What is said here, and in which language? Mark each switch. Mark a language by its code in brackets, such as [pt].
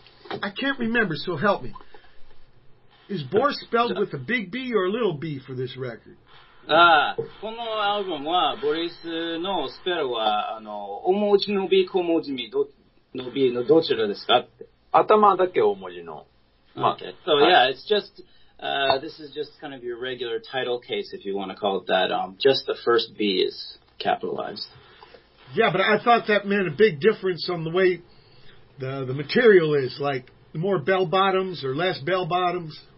[en] I can't remember, so help me. Is Bors spelled with a big B or a little B for this record? [ja] このアルバムはボリスのスペルは大文字の B 小文字の B のどちらですかって頭だけ大文字の [en] Okay, so yeah, it's just this is just kind of your regular title case if you want to call it that just the first B is capitalized Yeah, but I thought that meant a big difference on the way the material is, like more bell bottoms or less bell bottoms.